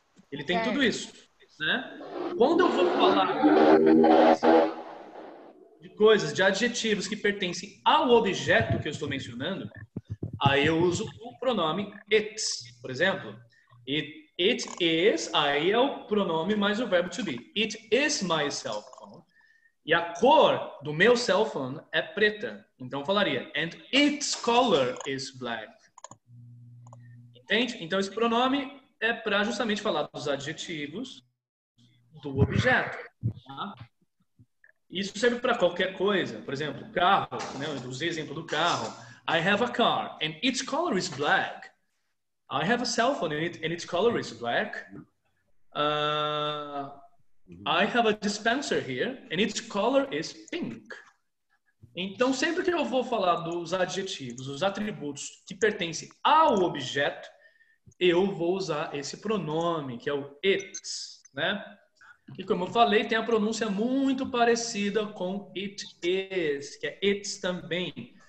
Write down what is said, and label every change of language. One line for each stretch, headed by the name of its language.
Portuguese: Ele tem tudo isso, né? Quando eu vou falar de coisas, de adjetivos que pertencem ao objeto que eu estou mencionando, aí eu uso o pronome it, por exemplo. It is, aí é o pronome mais o verbo to be.
English: It is my cell phone.
Portuguese: E a cor do meu cell phone é preta. Então eu falaria,
English: and its color is black.
Portuguese: Entende? Então esse pronome é para justamente falar dos adjetivos do objeto. Tá? Isso serve para qualquer coisa. Por exemplo, carro, né? Eu usei exemplo do carro.
English: I have a car and its color is black. I have a cell phone and its color is black. I have a dispenser here and its color is pink.
Portuguese: Então, sempre que eu vou falar dos adjetivos, os atributos que pertencem ao objeto, eu vou usar esse pronome, que é o it, né? E como eu falei, tem a pronúncia muito parecida com it is, que é it também.